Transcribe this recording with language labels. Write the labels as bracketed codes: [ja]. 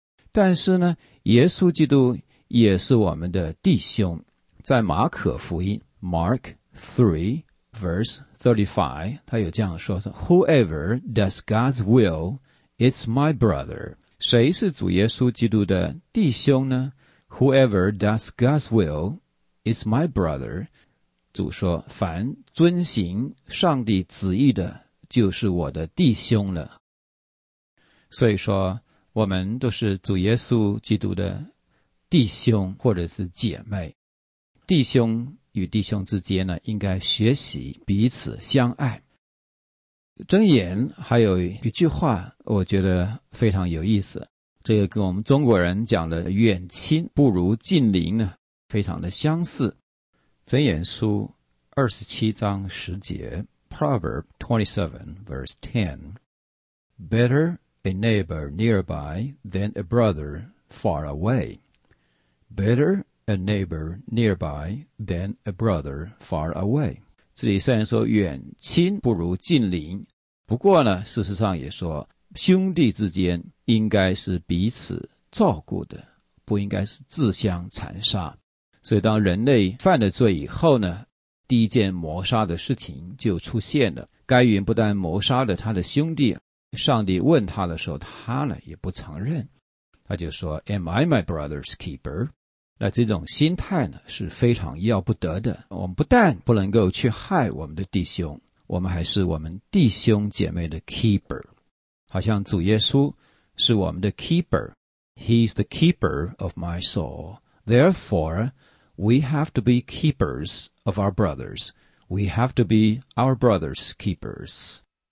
[zh] 但是呢耶稣基督也是我们的弟兄，在马可福音 Mark 3Verse 35, 他有这样说 [en] Whoever does God's will, it's my brother. [zh] 谁是主耶稣基督的弟兄呢？ [en] Whoever does God's will, it's my brother. [zh] 主说凡遵行上帝旨意的就是我的弟兄了。所以说我们都是主耶稣基督的弟兄或者是姐妹。弟兄与弟兄之间呢应该学习彼此相爱。箴言还有一句话我觉得非常有意思，这个跟我们中国人讲的远亲不如近邻呢非常的相似。箴言书27章十节 [en] Proverb 27 verse 10 Better a neighbor nearby than a brother far away. Better a neighbor nearby than a brother far away. [zh] 这里虽然说远亲不如近邻，不过呢，事实上也说兄弟之间应该是彼此照顾的，不应该是自相残杀。所以当人类犯了罪以后呢，第一件谋杀的事情就出现了。该云不但谋杀了他的兄弟，上帝问他的时候，他呢也不承认，他就说 [en] Am I my brother's keeper? [zh] 那这种心态呢是非常要不得的。我们不但不能够去害我们的弟兄，我们还是我们弟兄姐妹的 keeper。好像主耶稣是我们的 [en] keeper， He is the keeper of my soul。 Therefore, we have to be keepers of our brothers. We have to be our brothers' keepers.